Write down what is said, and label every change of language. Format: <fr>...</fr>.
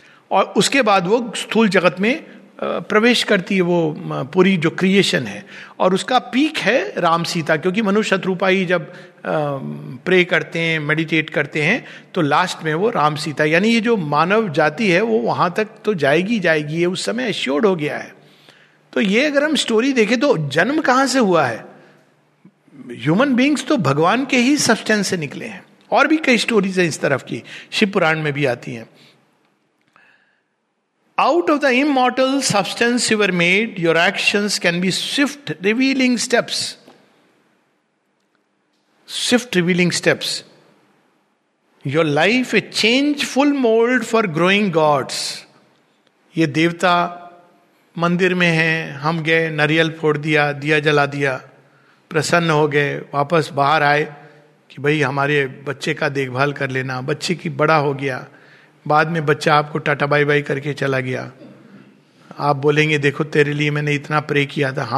<hi>और उसके बाद वो स्थूल जगत में प्रवेश करती है, वो पूरी जो क्रिएशन है, और उसका पीक है राम सीता, क्योंकि मनुष्य शत्रुपा ही जब प्रे करते हैं, मेडिटेट करते हैं, तो लास्ट में वो राम सीता, यानी ये जो मानव जाति है वो वहां तक तो जाएगी जाएगी, ये उस समय एश्योर्ड हो गया है। तो ये अगर हम स्टोरी देखें तो जन्म कहां से हुआ है, ह्यूमन बींग्स तो भगवान के ही सब्सटेंस से निकले हैं। और भी कई स्टोरीज हैं इस तरफ की, शिव पुराण में भी आती हैं।</hi> <en>Out of the immortal substance you were made, your actions can be swift revealing steps. Swift revealing steps. Your life a changeful mold for growing gods.</en> <hi>ये देवता मंदिर में है, हम गए नारियल फोड़ दिया, दिया जला दिया, प्रसन्न हो गए, वापस बाहर आए कि भाई हमारे बच्चे का देखभाल कर लेना, बच्चे की बड़ा हो गया, बाद में बच्चा आपको टाटा बाई बाई करके चला गया, आप बोलेंगे देखो तेरे लिए मैंने इतना प्रे किया था।</hi>